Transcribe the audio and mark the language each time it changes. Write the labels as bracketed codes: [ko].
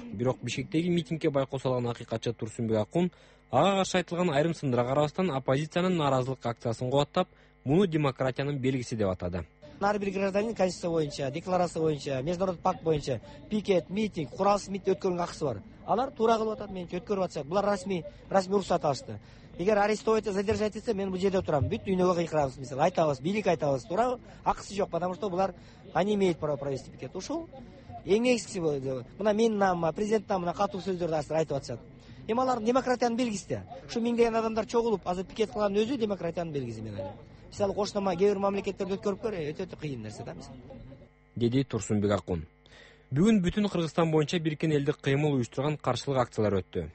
[ky] Бирок Бишкектеги митингке байкоо салган акыйкатчы Турсунбек Акун ага каршы айтылган айрым сындарга карабастан оппозициянын нааразылык акциясын кубаттап, муну демократиянын белгиси деп атады. Ар бир гражданин конституция боюнча, декларация боюнча, [ru] международный пакт [ky] боюнча пикет, митинг, куралсыз митинг өткөрүүнүн акысы бар. Алар туура кылып атат, менчи өткөрүп атышат. Булар расмий уруксат алышты. Эгер [ru] арестовать, задержать [ky] этсе, мен бул жерде турам. Бүт дүйнөгө кыйкырабыз мисалы. Айтабыз, бийлик айтабыз, туурабы? Акысы жок, [ru] потому что [ky] булар [ru] они имеют право провести пикет. [ky] Ушул эң негизги болду. Мына менин намыма, президенттин намына катуу сөздөрдү азыр айтып атышат. Эми алар демократиянын белгиси да. Ушу миңдеген адамдар чогулуп, азыр пикет кылганын өзү демократиянын белгиси мен айтам. Мисалы кошунама кээ бир мамлекеттерде өткөрүп көр, өтө кыйын нерсе да мисалы. Деди Турсунбек Акун. Бүгүн бүтүн Кыргызстан боюнча биркен элдик кыймыл уюштурган каршылык акциялары өттү.